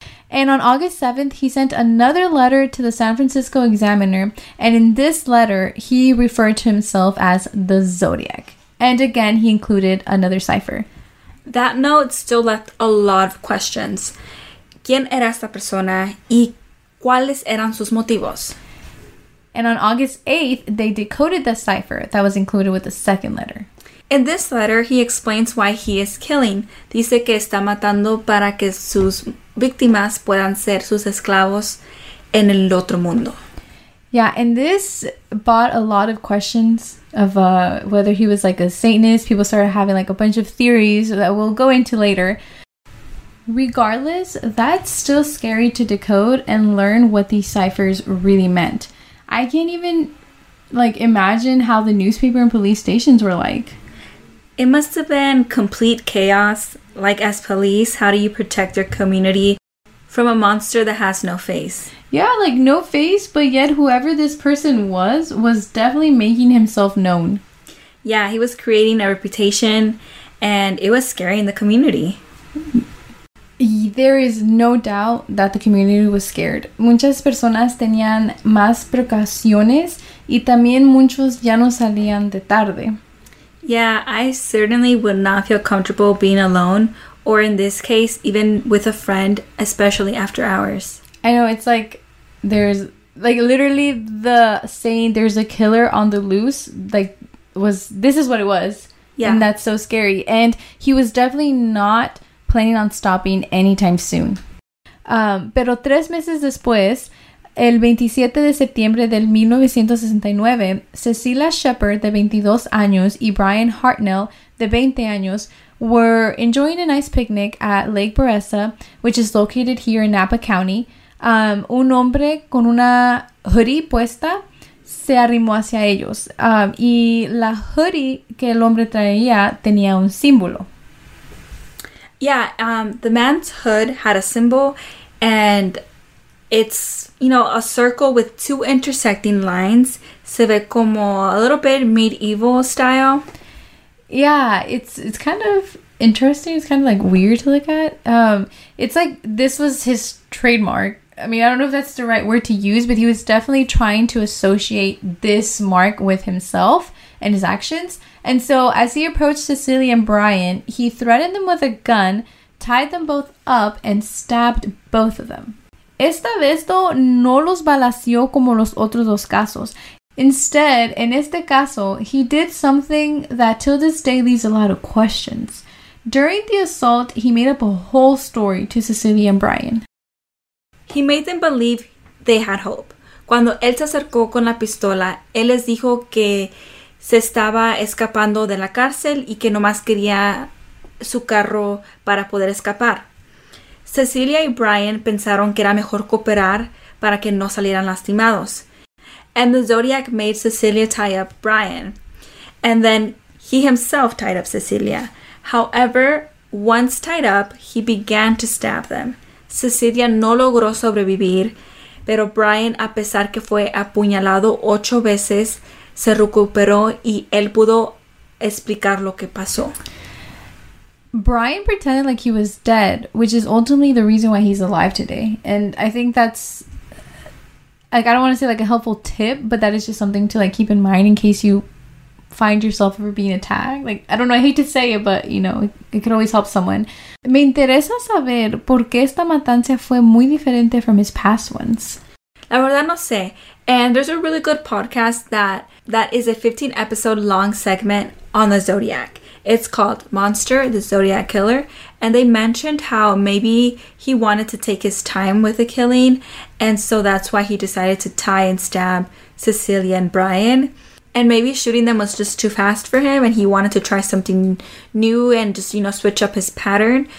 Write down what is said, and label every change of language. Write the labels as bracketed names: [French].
[English] And on August 7th, he sent another letter to the San Francisco Examiner, and in this letter, he referred to himself as the Zodiac. And again, he included another cipher. That note still left a lot of questions. [Spanish] ¿Quién era esta persona? ¿Y cuáles eran sus motivos? [English] And on August 8th, they decoded the cipher that was included with the second letter. In this letter, he explains why he is killing. [Spanish] Dice que está matando para que sus víctimas puedan ser sus esclavos en el otro mundo. [English] Yeah, and this brought a lot of questions of whether he was like a Satanist. People started having like a bunch of theories that we'll go into later. Regardless, that's still scary to decode and learn what these ciphers really meant. I can't even like imagine how the newspaper and police stations were like. It must have been complete chaos. Like, as police, how do you protect your community from a monster that has no face? Yeah, like, no face, but yet whoever this person was definitely making himself known. Yeah, he was creating a reputation, and it was scaring the community. There is no doubt that the community was scared. [Spanish] Muchas personas tenían más precauciones, y también muchos ya no salían de tarde. [English] Yeah, I certainly would not feel comfortable being alone, or in this case, even with a friend, especially after hours. I know, it's like, there's, like, literally the saying, there's a killer on the loose, like, was, this is what it was. Yeah. And that's so scary. And he was definitely not planning on stopping anytime soon. [Spanish] Pero tres meses después, el 27 de septiembre del 1969, Cecilia Shepherd, de 22 años, y Brian Hartnell, de 20 años, [English] were enjoying a nice picnic at Lake Berryessa, which is located here in Napa County. [Spanish] Un hombre con una hoodie puesta se arrimó hacia ellos, y la hoodie que el hombre traía tenía un símbolo. [English] Yeah, the man's hood had a symbol, and it's, you know, a circle with two intersecting lines. [Spanish] Se ve como [English] a little bit medieval style. Yeah, it's kind of interesting. It's kind of like weird to look at. It's like this was his trademark. I mean, I don't know if that's the right word to use, but he was definitely trying to associate this mark with himself and his actions. And so as he approached Cecilia and Brian, he threatened them with a gun, tied them both up, and stabbed both of them. [Spanish] Esta vez, [English] though, [Spanish] no los balació como los otros dos casos. [English] Instead, [Spanish] en este caso, [English] he did something that till this day leaves a lot of questions. During the assault, he made up a whole story to Cecilia and Brian. He made them believe they had hope. [Spanish] Cuando él se acercó con la pistola, él les dijo que se estaba escapando de la cárcel y que nomás quería su carro para poder escapar. Cecilia y Brian pensaron que era mejor cooperar para que no salieran lastimados. [English] And the Zodiac made Cecilia tie up Brian. And then he himself tied up Cecilia. However, once tied up, he began to stab them. [Spanish] Cecilia no logró sobrevivir, pero Brian, a pesar que fue apuñalado 8 veces, se recuperó y él pudo explicar lo que pasó. [English] Brian pretended like he was dead, which is ultimately the reason why he's alive today. And I think that's, like, I don't want to say, like, a helpful tip, but that is just something to, like, keep in mind in case you find yourself ever being attacked. Like, I don't know, I hate to say it, but, you know, it could always help someone. [Spanish] Me interesa saber por qué esta matanza fue muy diferente [English] from his past ones. [Spanish] La verdad no sé. [English] And there's a really good podcast that is a 15-episode long segment on the Zodiac. It's called Monster, the Zodiac Killer, and they mentioned how maybe he wanted to take his time with the killing, and so that's why he decided to tie and stab Cecilia and Brian, and maybe shooting them was just too fast for him, and he wanted to try something new and just, you know, switch up his pattern.